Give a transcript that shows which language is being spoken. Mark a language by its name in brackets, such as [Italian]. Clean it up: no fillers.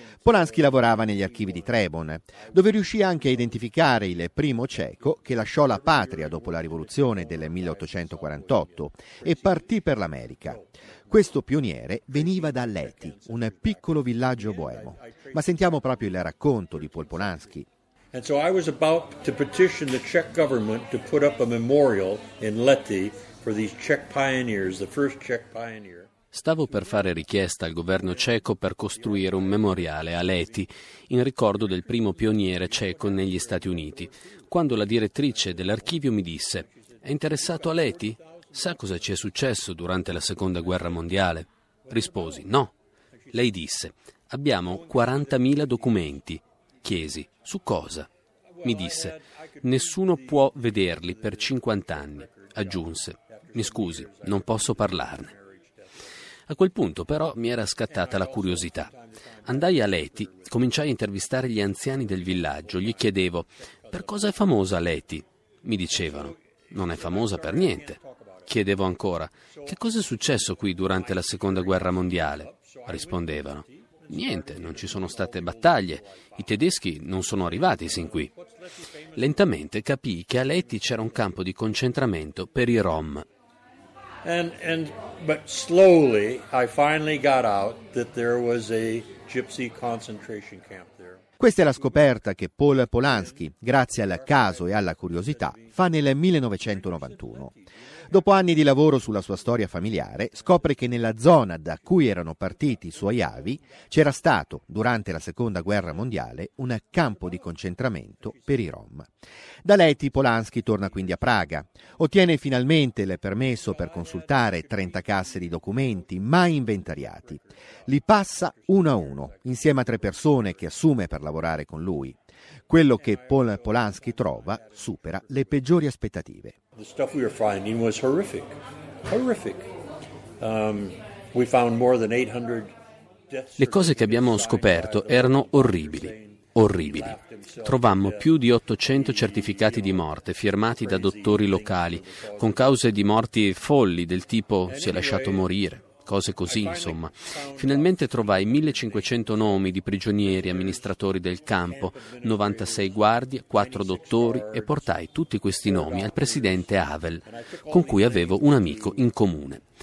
[Italian] Polansky lavorava negli archivi di Trebon, dove riuscì anche a identificare il primo ceco che lasciò la patria dopo la rivoluzione del 1848 e partì per l'America. Questo pioniere veniva da Leti, un piccolo villaggio boemo. Ma sentiamo proprio il racconto di Paul Polansky. [English] And so I was about to petition the Czech government to put up a memorial in Leti for these Czech pioneers, the first Czech pioneer. [Italian] Stavo per fare richiesta al governo ceco per costruire un memoriale a Leti in ricordo del primo pioniere ceco negli Stati Uniti, quando la direttrice dell'archivio mi disse: «È interessato a Leti? Sa cosa ci è successo durante la Seconda Guerra Mondiale?» Risposi: «No». Lei disse: «Abbiamo 40.000 documenti». Chiesi: «Su cosa?» Mi disse: «Nessuno può vederli per 50 anni». Aggiunse: «Mi scusi, non posso parlarne». A quel punto però mi era scattata la curiosità. Andai a Leti, cominciai a intervistare gli anziani del villaggio, gli chiedevo: «Per cosa è famosa Leti?» Mi dicevano: «Non è famosa per niente». Chiedevo ancora: «Che cosa è successo qui durante la Seconda Guerra Mondiale?» Rispondevano: «Niente, non ci sono state battaglie, i tedeschi non sono arrivati sin qui». Lentamente capii che a Leti c'era un campo di concentramento per i Rom. [English] But slowly I finally got out that there was a gypsy concentration camp there. [Italian] Questa è la scoperta che Paul Polansky, grazie al caso e alla curiosità, fa nel 1991. Dopo anni di lavoro sulla sua storia familiare, scopre che nella zona da cui erano partiti i suoi avi c'era stato, durante la Seconda Guerra Mondiale, un campo di concentramento per i Rom. Da Leti Polansky torna quindi a Praga. Ottiene finalmente il permesso per consultare 30 casse di documenti mai inventariati. Li passa uno a uno, insieme a tre persone che assume per lavorare con lui. Quello che Paul Polansky trova supera le peggiori aspettative. [English] The stuff we were finding was horrific. Horrific. We found more than 800 death certificates. [Italian] Le cose che abbiamo scoperto erano orribili. Orribili. Trovammo più di 800 certificati di morte firmati da dottori locali, con cause di morti folli del tipo si è lasciato morire. Cose così, insomma. Finalmente trovai 1500 nomi di prigionieri amministratori del campo, 96 guardie, 4 dottori e portai tutti questi nomi al presidente Havel, con cui avevo un amico in comune.